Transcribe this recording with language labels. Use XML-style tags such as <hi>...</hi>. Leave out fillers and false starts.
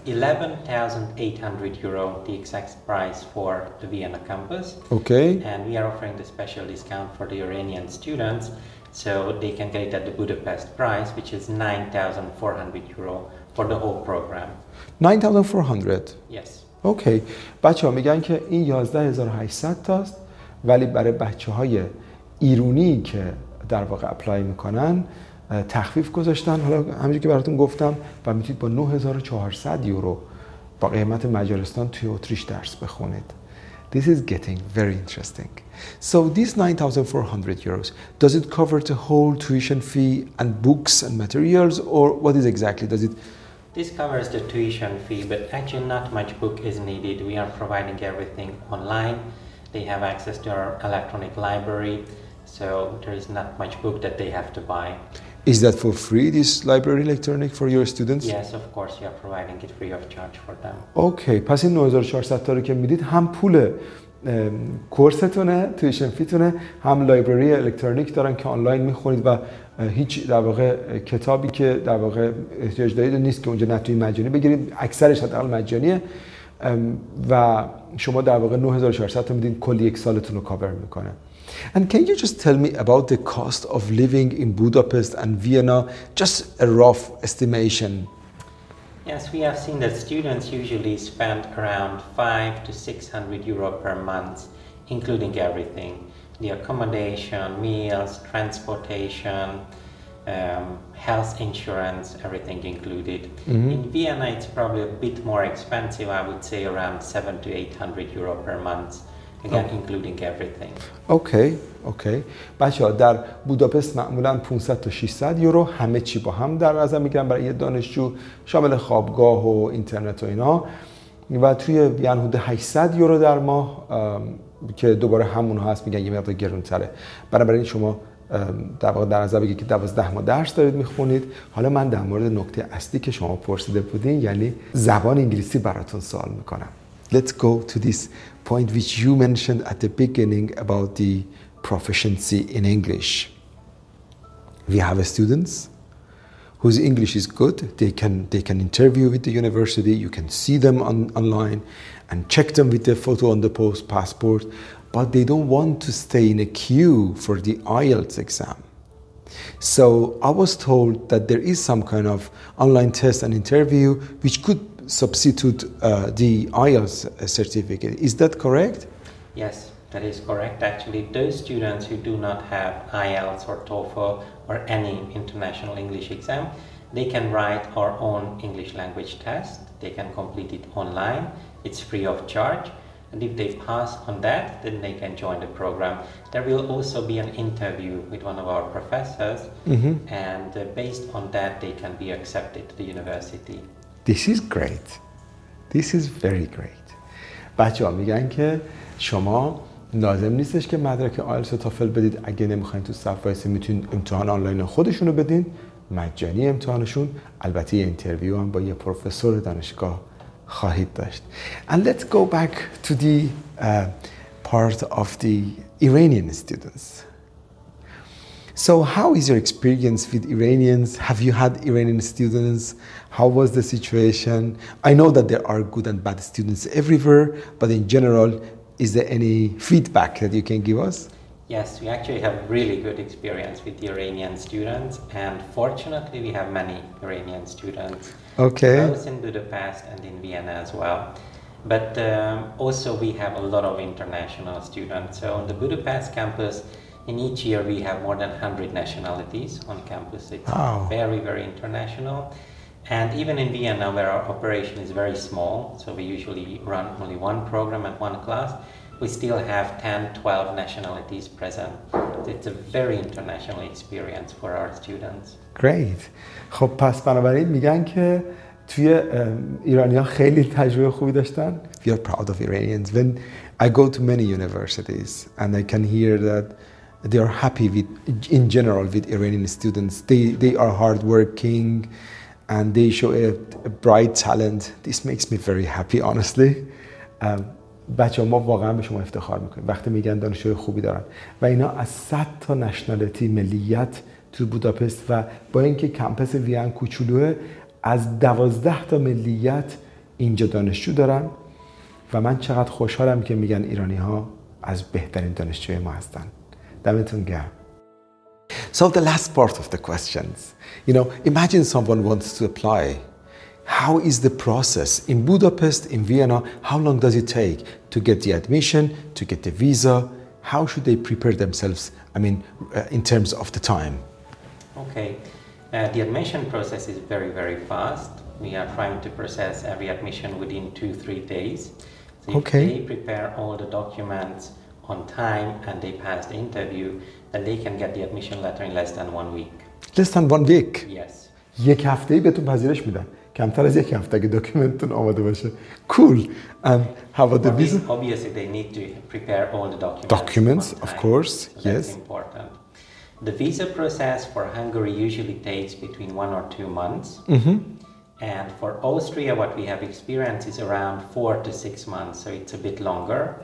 <en>It's 11,800 euro, the exact price for the Vienna campus. Okay. And we are offering the special discount for the Iranian students, so they can get it at the Budapest price, which is 9,400 euro for the whole program. 9,400. Yes.</en> <fa>اوکی. بچه ها میگن که این 11,800 تاست، ولی برای بچه های ایرانی که در واقع اپلای میکنن تخفیف گذاشتن، حالا همینجوری که براتون گفتم، و میتونید با 9400 یورو با قیمت مجارستان توی اتریش درس بخونید.</fa> <en>This is getting very interesting. So this 9400 euros, does it cover the whole tuition fee and books and materials, or what is exactly does it? This covers the tuition fee, but actually not much book is needed. We are providing everything online. They have access to our electronic library, so there is not much book that they have to buy. Is that for free, this library electronic, for your students? Yes, of course, you are providing it free of charge for them.</en> <fa>Okay, پس این 9400 تا رو که میدید هم پول کورستونه، تویشن فیتونه، هم لایبرری الکترونیک دارن که آنلاین میخونید و هیچ در واقع کتابی که در واقع احتیاج دارید نیست که اونجا نتونید مجانی بگیرید، اکثرش حداقل مجانیه و شما در واقع 9400 تا میدید کلی یک سالتون رو کاور میکنه.</fa> <en>And can you just tell me about the cost of living in Budapest and Vienna? Just a rough estimation. Yes, we have seen that students usually spend around 500 to 600 euro per month, including everything. The accommodation, meals, transportation, health insurance, everything included. Mm-hmm. In Vienna, it's probably a bit more expensive, I would say around 700 to 800 euro per month. Again, including everything. Okay.</en> <fa>بچه ها در بوداپست معمولاً 500 تا 600 یورو همه چی با هم در نظر میگیرن برای یه دانشجو، شامل خوابگاه و اینترنت و اینا، و توی وین حدود 800 یورو در ماه که دوباره همون هست، میگن یه مقدار گرونتره. بنابراین شما در واقع در نظر بگیرید که 12 ماه درس دارید میخونید. حالا من در مورد نکته اصلی که شما پرسیده بودین، یعنی زبان انگلیسی، براتون سوال میکنم.</fa> <en>Let's go to this point which you mentioned at the beginning about the proficiency in English. We have students whose English is good. They can interview with the university. You can see them online and check them with their photo on the passport. But they don't want to stay in a queue for the IELTS exam. So I was told that there is some kind of online test and interview which could substitute the IELTS certificate. Is that correct? Yes, that is correct. Actually, those students who do not have IELTS or TOEFL or any international English exam, they can write our own English language test. They can complete it online. It's free of charge. And if they pass on that, then they can join the program. There will also be an interview with one of our professors, mm-hmm. and based on that, they can be accepted to the university. This is great. This is very great.</en> <fa>بچه ها میگن که شما لازم نیستش که مدرک آیلتس و تافل بدید. اگه نمیخواین تو صف وایسی، میتونین امتحان آنلاین خودشون رو بدین، مجانی امتحانشون. البته یه انترویو هم با یه پروفسور دانشگاه خواهید داشت.</fa> <en>And let's go back to the part of the Iranian students. So how is your experience with Iranians? Have you had Iranian students? How was the situation? I know that there are good and bad students everywhere, but in general, is there any feedback that you can give us? Yes, we actually have really good experience with the Iranian students, and fortunately we have many Iranian students. Okay. Both in Budapest and in Vienna as well. But also we have a lot of international students. So on the Budapest campus, in each year we have more than 100 nationalities on campus. It's very, very international. And even in Vienna, where our operation is very small, so we usually run only one program and one class, we still have 10-12 nationalities present. It's a very international experience for our students. Great.</en> <fa>خب پس بنابراین میگن که توی ایرانی ها خیلی تجربه خوبی داشتن.</fa> <en>We are proud of Iranians. When I go to many universities and I can hear that they are happy with, in general, with Iranian students. They are hardworking and they show a bright talent. This makes me very happy, honestly.</en> <fa>بچه ها ما واقعا به شما افتخار میکنیم وقتی میگن دانشجوی خوبی دارن. و اینا از 100 تا نشنالیتی، ملیت تو بوداپست، و با اینکه کمپس ویان کوچولوه، از 12 تا ملیت اینجا دانشجو دارن. و من چقدر خوشحالم که میگن ایرانی ها از بهترین دانشجوی ما هستن. دمتون گرم.</fa> <en>So the last part of the questions, you know, imagine someone wants to apply. How is the process in Budapest, in Vienna? How long does it take to get the admission, to get the visa? how should they prepare themselves, I mean, in terms of the time? Okay, the admission process is very, very fast. We are trying to process every admission within 2-3 days. So if okay. they prepare all the documents on time and they pass the interview, then they can get the admission letter in less than 1 week. Less than 1 week? Yes.</en> <fa>یک هفته‌ای بهتون پذیرش میدن. کمتر از یک هفته اگه دکومنتتون آماده باشه.</fa> <en>Cool. And how about the visa? Obviously, they need to prepare all the documents. Documents, of course. So yes. That's important. The visa process for Hungary usually takes between 1 or 2 months. Mm-hmm. And for Austria, what we have experienced is around 4 to 6 months, so it's a bit longer.</en>